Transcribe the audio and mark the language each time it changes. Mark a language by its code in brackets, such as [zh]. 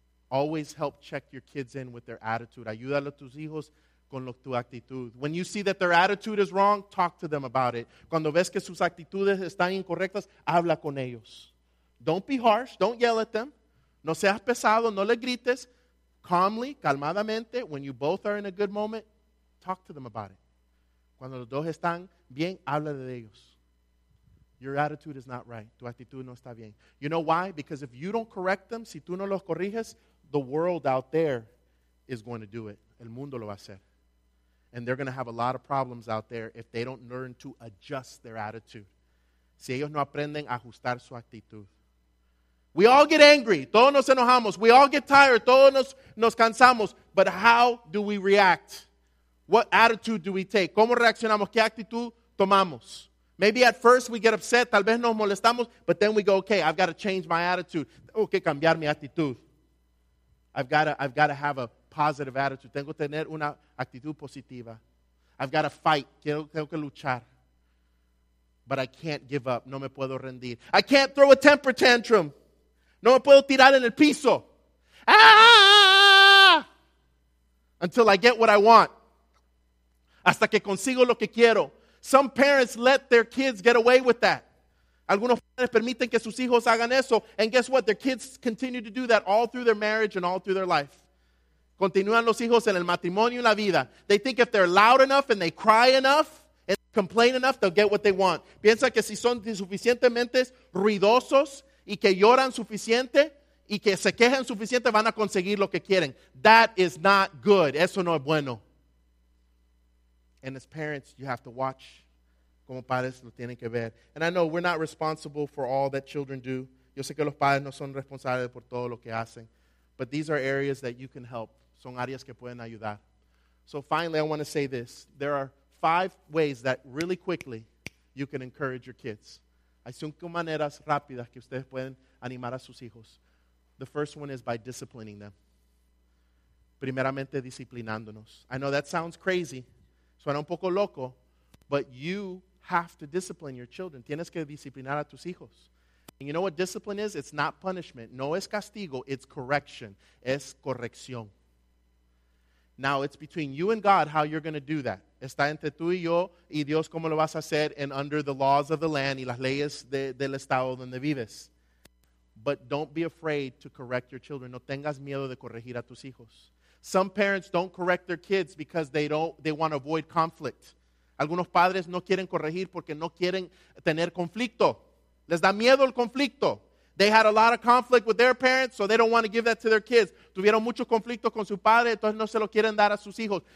[en] Always help check your kids in with their attitude. [es] Ayúdalo a tus hijos con tu actitud. [en] When you see that their attitude is wrong, talk to them about it. [es] Cuando ves que sus actitudes están incorrectas, habla con ellos. [en] Don't be harsh. Don't yell at them. [es] No seas pesado. No le grites. [en] Calmly, [es] calmadamente, [en] when you both are in a good moment, talk to them about it. [es] Cuando los dos están bien, habla de ellos. [en] Your attitude is not right. [es] Tu actitud no está bien. [en] You know why? Because if you don't correct them, [es] si tú no los corriges, [en] the world out there is going to do it. [es] El mundo lo va a hacer. [en] And they're going to have a lot of problems out there if they don't learn to adjust their attitude. [es] Si ellos no aprenden a ajustar su actitud. [en] We all get angry. [es] Todos nos enojamos. [en] We all get tired. [es] Todos nos cansamos. [en] But how do we react? What attitude do we take? [es] ¿Cómo reaccionamos? ¿Qué actitud tomamos? [en] Maybe at first we get upset. [es] Tal vez nos molestamos. [en] But then we go, okay, I've got to change my attitude. [es] Tengo que cambiar mi actitud. [en] I've got to have a positive attitude. [es] Tengo que tener una actitud positiva. [en] I've got to fight. [es] Tengo que luchar. [en] But I can't give up. [es] No me puedo rendir. [en] I can't throw a temper tantrum. [es] No me puedo tirar en el piso. [en] Ah! Until I get what I want. [es] Hasta que consigo lo que quiero. [en] Some parents let their kids get away with that. [es] Algunos padres permiten que sus hijos hagan eso. [en] And guess what? Their kids continue to do that all through their marriage and all through their life. [es] Continúan los hijos en el matrimonio y la vida. [en] They think if they're loud enough and they cry enough and complain enough, they'll get what they want. [es] Piensa que si son suficientemente ruidosos y que lloran suficiente y que se quejan suficiente, van a conseguir lo que quieren. [en] That is not good. [es] Eso no es bueno. [en] And as parents, you have to watch. [es] Como padres lo tienen que ver. [en] And I know we're not responsible for all that children do. [es] Yo sé que los padres no son responsables por todo lo que hacen. [en] But these are areas that you can help. [es] Son áreas que pueden ayudar. [en] So finally, I want to say this. There are 5 ways that really quickly you can encourage your kids. [es] Hay 5 maneras rápidas que ustedes pueden animar a sus hijos. [en] The first one is by disciplining them. [es] Primeramente, disciplinándonos. [en] I know that sounds crazy. [es] Suena un poco loco, [en] but you have to discipline your children. [es] Tienes que disciplinar a tus hijos. [en] And you know what discipline is? It's not punishment. [es] No es castigo, [en] it's correction. [es] Es corrección. [en] Now, it's between you and God how you're going to do that. [es] Está entre tú y yo y Dios cómo lo vas a hacer [en] and under the laws of the land [es] y las leyes del estado donde vives. [en] But don't be afraid to correct your children. [es] No tengas miedo de corregir a tus hijos. [en] Some parents don't correct their kids because they want to avoid conflict. [es] Algunos padres no quieren corregir porque no quieren tener conflicto. Les da miedo el conflicto. [en] They had a lot of conflict with their parents, so they don't want to give that to their kids. [es] Tuvieron mucho conflicto con su padre, entonces no se lo quieren dar a sus hijos.